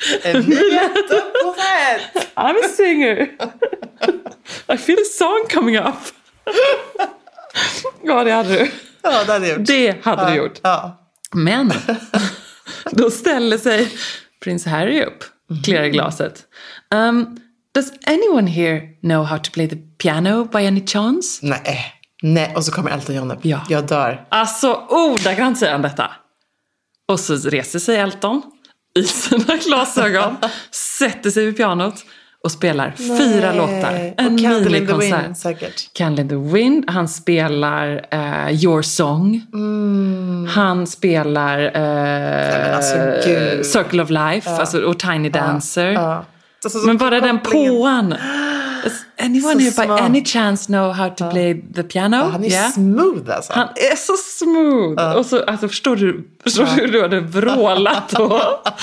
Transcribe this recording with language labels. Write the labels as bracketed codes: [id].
[en] Emilia Dupont! I'm a singer. I feel a song coming up. [sv] Ja, det hade du. Ja, det hade du gjort. Det hade du gjort. Ja. Men, då ställer sig prins Harry upp. Klirrar i glaset. [en] Does anyone here know how to play the piano by any chance? [sv] Nej. Och så kommer Elton John upp. Ja. Jag dör. Alltså, ordagrant säger han detta. Och så reser sig Elton i sina glasögon, sätter sig vid pianot och spelar fyra låtar. En minikonsert. Candle in the Wind, säkert. Candle in the Wind. Han spelar Your Song. Mm. Han spelar alltså, Circle of Life alltså, och Tiny Dancer. Ja. Så men bara den påan. [en] Does anyone here by any chance know how to play the piano? [sv] Ja, han är smooth alltså. Han är så smooth. Och så, alltså, förstår du hur du hade vrålat då?